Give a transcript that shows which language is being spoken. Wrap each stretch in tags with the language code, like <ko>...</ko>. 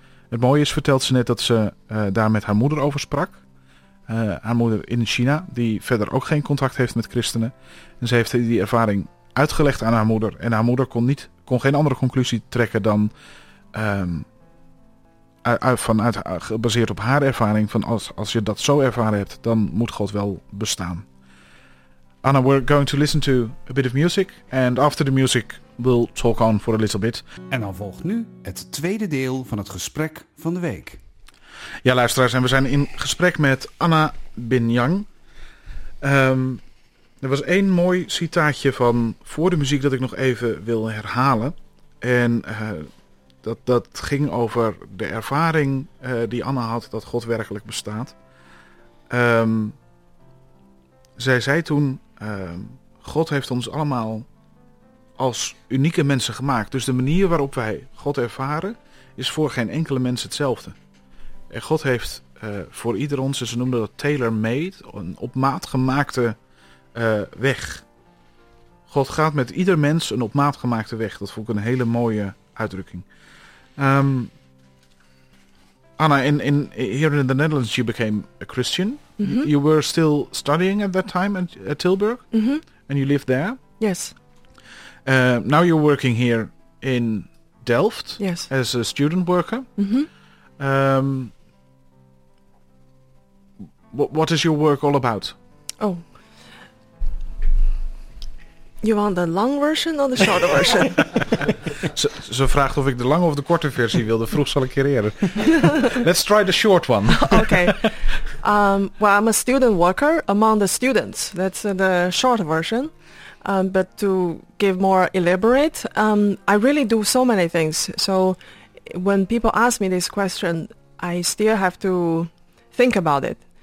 <nl>Het mooie is, vertelt ze net, dat ze daar met haar moeder over sprak. Haar moeder in China, die verder ook geen contact heeft met christenen. En ze heeft die ervaring uitgelegd aan haar moeder. En haar moeder kon geen andere conclusie trekken dan gebaseerd op haar ervaring, van als je dat zo ervaren hebt, dan moet God wel bestaan.</nl> <en>Anna, we're going to listen to a bit of music, and after the music we'll talk on for a little bit.</en> <nl>En dan volgt nu het tweede deel van het gesprek van de week. Ja, luisteraars, en we zijn in gesprek met Anna Binyang. Er was één mooi citaatje van voor de muziek dat ik nog even wil herhalen. En dat ging over de ervaring die Anna had dat God werkelijk bestaat. Zij zei toen, God heeft ons allemaal als unieke mensen gemaakt. Dus de manier waarop wij God ervaren is voor geen enkele mens hetzelfde. En God heeft voor ieder ons, en ze noemden dat tailor-made, een op maat gemaakte weg. God gaat met ieder mens een op maat gemaakte weg. Dat vond ik een hele mooie uitdrukking.</nl> <en>Anna, here in the Netherlands you became a Christian. Mm-hmm. You were still studying at that time at Tilburg. Mm-hmm. And you lived there. Yes. Now you're working here in Delft. Yes. As a student worker. Mm-hmm. What is your work all about? Oh. You want the long version or the short version?</en> <nl>Ze vraagt of ik de lange of de korte versie wilde. Vroeg zal ik creëren.</nl> <en>Let's try the short one. Okay. Well, I'm a student worker among the students. That's the short version. But to give more elaborate, I really do so many things. So when people ask me this question, I still have to think about it.</en>